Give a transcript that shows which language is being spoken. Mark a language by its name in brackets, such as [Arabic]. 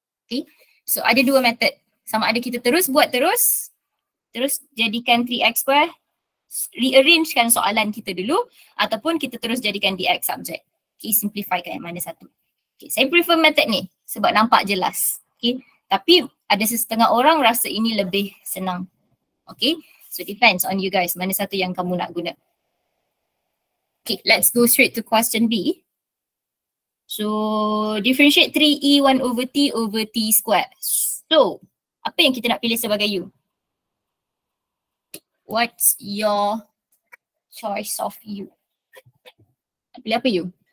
[Malay] Okay, so ada dua method. Sama ada kita terus buat terus, terus jadikan 3x square, rearrangekan soalan kita dulu, ataupun kita terus jadikan dx subject. Okay, simplifykan yang mana satu. Okay, saya prefer method ni sebab nampak jelas. Okay, tapi ada setengah orang rasa ini lebih senang. Okay, so [English] depends on you guys [Malay] mana satu yang kamu nak guna. [English] Okay, let's go straight to question B. So differentiate 3e1 over t squared. [Malay] So apa yang kita nak pilih sebagai u? [English] What's your choice of u? [Malay] Pilih apa u?